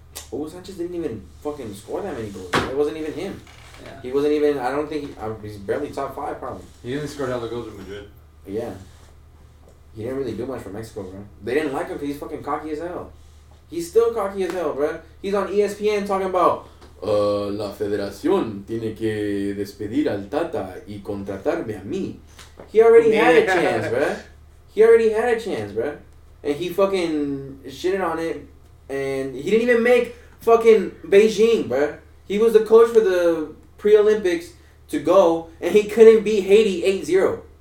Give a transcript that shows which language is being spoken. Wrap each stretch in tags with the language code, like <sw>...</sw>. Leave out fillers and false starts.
<en>Hugo Sanchez didn't even fucking score that many goals. It wasn't even him. Yeah. He wasn't even, I don't think, he's barely top five, probably. He only scored hella goals in Madrid. Yeah. He didn't really do much for Mexico, bro. They didn't like him because he's fucking cocky as hell. He's still cocky as hell, bro. He's on ESPN talking about,</en> <es>La Federación tiene que despedir al Tata y contratarme a mí.</es> <en>He already had a chance, bro. He already had a chance, bro. And he fucking shitted on it. And he didn't even make fucking Beijing, bro. He was the coach for the pre-Olympics to go, and he couldn't beat Haiti 8-0.</en>